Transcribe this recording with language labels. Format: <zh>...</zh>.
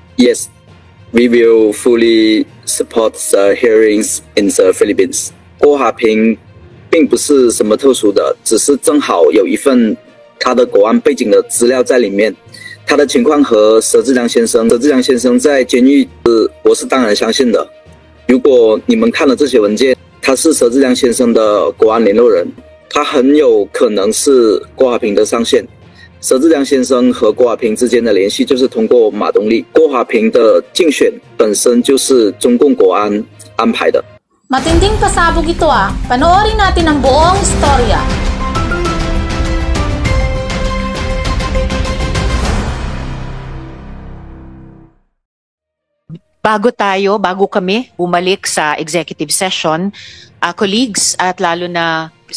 <en>Yes, we will fully support the hearings in the Philippines.</en> <zh>Guo Huaping 并不是什么特殊的，只是正好有一份他的国安背景的资料在里面。他的情况和佘志良先生，佘志良先生在监狱，我是当然相信的。如果你们看了这些文件，他是佘志良先生的国安联络人，他很有可能是郭华平的上线。佘志良先生和郭华平之间的联系就是通过马东利。郭华平的竞选本身就是中共国安安排的。</zh> <tl>Matinding pasabog ito ah. Panoorin natin ang buong istorya. Bago tayo, bago kami bumalik sa executive session, colleagues at lalo na Ms.</tl>